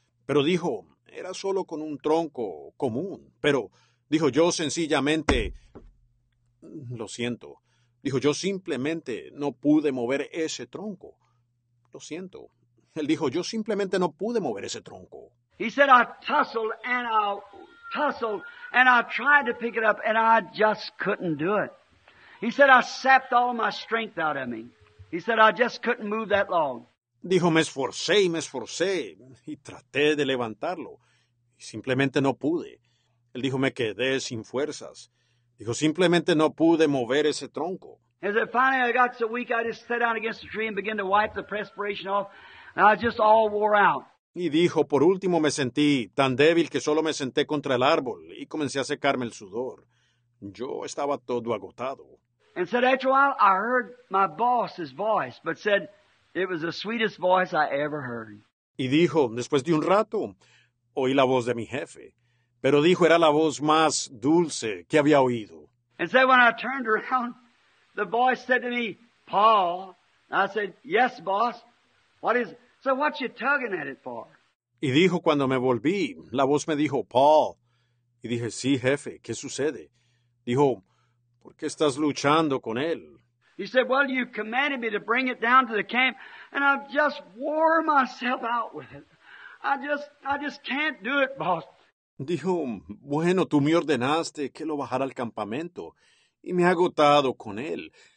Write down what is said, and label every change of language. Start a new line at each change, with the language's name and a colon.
Spanish: Pero dijo, era solo con un tronco común. Pero dijo, yo sencillamente, lo siento. Dijo, yo simplemente no pude mover ese tronco. Lo siento. Él dijo, yo simplemente no pude mover ese tronco.
English: He said, I tussled and I tried to pick it up and I just couldn't do it. He said, I sapped all my strength out of me. He said, I just couldn't move that log.
Spanish: Dijo, me esforcé, y traté de levantarlo, y simplemente no pude. Él dijo, me quedé sin fuerzas. Dijo, simplemente no pude mover ese tronco.
English: He said, finally I got so weak, I just sat down against the tree and began to wipe the perspiration off, and I just all wore out.
Spanish: Y dijo, por último me sentí tan débil que solo me senté contra el árbol, y comencé a secarme el sudor. Yo estaba todo agotado.
English: And said, after a while, I heard my boss's voice, but said, it was the sweetest voice I ever heard.
Spanish: Y dijo, después de un rato, oí la voz de mi jefe, pero dijo, era la voz más dulce que había oído.
English: And said, when I turned around, the voice said to me, Paul. And I said, yes, boss. What is it? So what you tugging at it for?
Spanish: Y dijo, cuando me volví, la voz me dijo, Paul. Y dije, sí, jefe, ¿qué sucede? Dijo, ¿por qué estás luchando con él?
English: He said, well, you commanded me to bring it down to the camp, and I've just wore myself out with it. I just can't do it, boss.
Spanish: Dijo, bueno, tú me ordenaste que lo bajara al campamento, y me he agotado con él.